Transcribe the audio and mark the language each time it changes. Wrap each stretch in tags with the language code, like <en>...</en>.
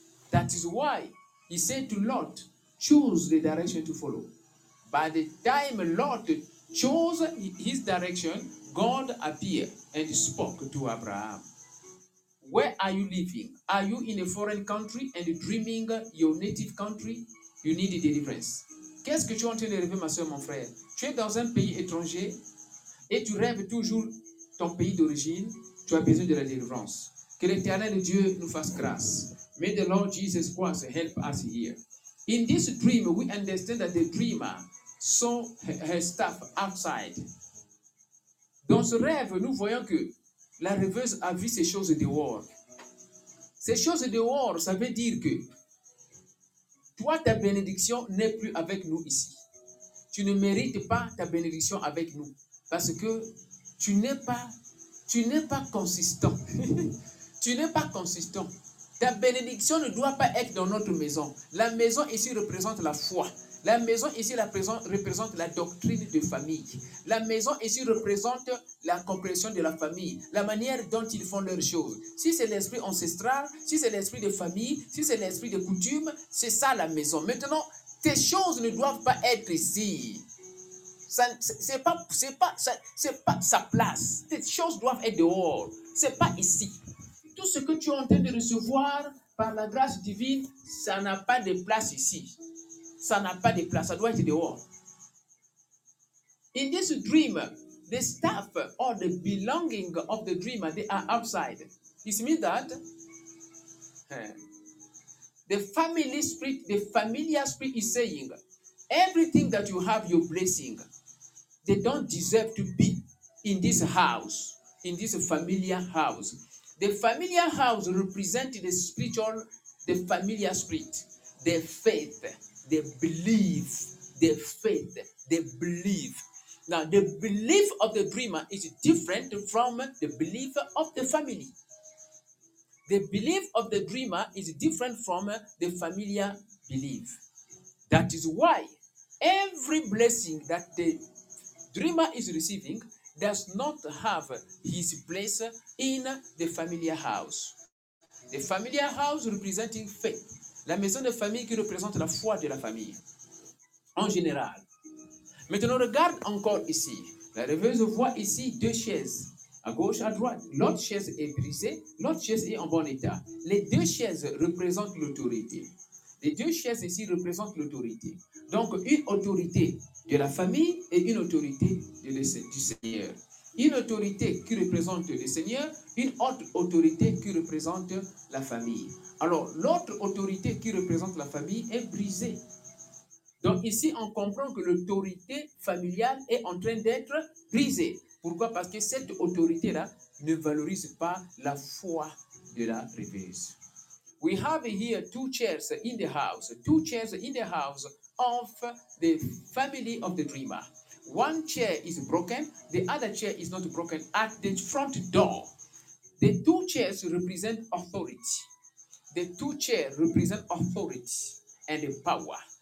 <en>That is why he said to Lot, choose the direction to follow. By the time Lot chose his direction, God appeared and spoke to Abraham. Where are you living? Are you in a foreign country and dreaming your native country? You need deliverance.</en> <fr>Qu'est-ce que tu es en train de rêver, ma soeur, mon frère? Tu es dans un pays étranger et tu rêves toujours ton pays d'origine. Tu as besoin de la délivrance. Que l'Éternel Dieu nous fasse grâce.</fr> <en>May the Lord Jesus Christ help us here. In this dream, we understand that the dreamer saw her stuff outside.</en> <fr>Dans ce rêve, nous voyons que la rêveuse a vu ces choses dehors. Ces choses dehors, ça veut dire que toi, ta bénédiction n'est plus avec nous ici. Tu ne mérites pas ta bénédiction avec nous parce que tu n'es pas consistant. Tu n'es pas consistant. Ta bénédiction ne doit pas être dans notre maison. La maison ici représente la foi. La maison ici représente la doctrine de famille. La maison ici représente la compréhension de la famille, la manière dont ils font leurs choses. Si c'est l'esprit ancestral, si c'est l'esprit de famille, si c'est l'esprit de coutume, c'est ça la maison. Maintenant, tes choses ne doivent pas être ici. Ce n'est pas sa place. Tes choses doivent être dehors. Ce n'est pas ici. Tout ce que tu es en train de recevoir par la grâce divine, ça n'a pas de place ici. ça n'a pas de place, ça doit être dehors.</fr> <en>In this dream, the stuff or the belonging of the dreamer, they are outside. It means that the family spirit, the familiar spirit is saying, everything that you have, your blessing, they don't deserve to be in this house, in this familiar house. The familiar house represents the spiritual, the familiar spirit, the faith, the belief, the faith, the belief. Now, the belief of the dreamer is different from the belief of the family. The belief of the dreamer is different from the familiar belief. That is why every blessing that the dreamer is receiving does not have his place in the familiar house. The familiar house representing faith.</en> <fr>La maison de famille qui représente la foi de la famille, en général. Maintenant, regarde encore ici. La rêveuse voit ici deux chaises, à gauche, à droite. L'autre chaise est brisée, l'autre chaise est en bon état. Les deux chaises représentent l'autorité. Les deux chaises ici représentent l'autorité. Donc, une autorité de la famille et une autorité du Seigneur. Une autorité qui représente le Seigneur, une autre autorité qui représente la famille. Alors, l'autre autorité qui représente la famille est brisée. Donc ici, on comprend que l'autorité familiale est en train d'être brisée. Pourquoi? Parce que cette autorité-là ne valorise pas la foi de la rêveuse.</fr> <en>We have here two chairs in the house of the family of the dreamer. One chair is broken, the other chair is not broken at the front door. The two chairs represent authority. The two chairs represent authority and the power.</en>